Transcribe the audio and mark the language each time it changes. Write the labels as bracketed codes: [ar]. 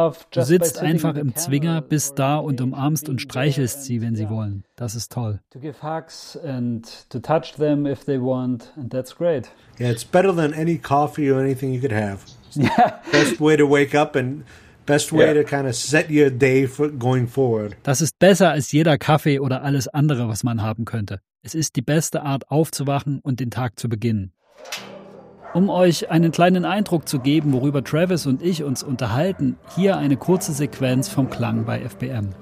[de] Du sitzt einfach im Zwinger, bist da und umarmst und streichelst sie, wenn sie wollen. Das ist toll. [en] To give hugs and to touch them if they want, and that's great. Yeah, it's better than any coffee or anything you could have. Best way to wake up and best way to kind of set your day for going forward. [de] Das ist besser als jeder Kaffee oder alles andere, was man haben könnte. Es ist die beste Art, aufzuwachen und den Tag zu beginnen. Um euch einen kleinen Eindruck zu geben, worüber Travis und ich uns unterhalten, hier eine kurze Sequenz vom Klang bei FBM.